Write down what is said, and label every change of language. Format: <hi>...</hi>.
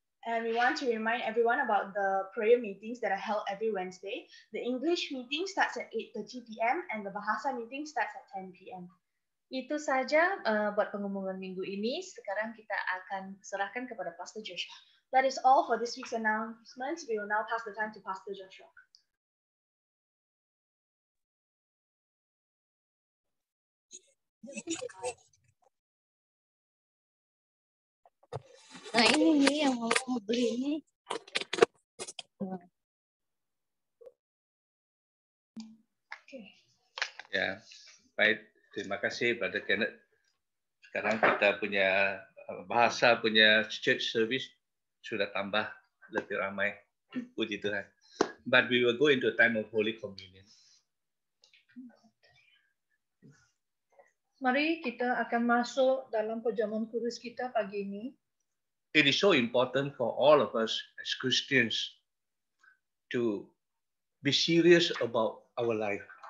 <en>And we want to remind everyone about the prayer meetings that are held every Wednesday. The English meeting starts at 8:30 p.m. and the Bahasa meeting starts at 10 p.m.</en> <ms>Itu saja buat pengumuman minggu ini. Sekarang kita akan serahkan kepada Pastor Joshua.</ms> <en>That is all for this week's announcements. We will now pass the time to Pastor Joshua.</en> <ms>Nah ini nih yang mau beli ini. Okay. Ya, baik. Terima kasih Brother Kenneth. Sekarang kita punya bahasa, punya church service sudah tambah lebih ramai. Puji Tuhan.</ms> <en>But we will go into a time of Holy Communion.</en> <ms>Mari kita akan masuk dalam perjamuan kudus kita pagi ini.</ms> <en>It is so important for all of us as Christians to be serious about our life.</en>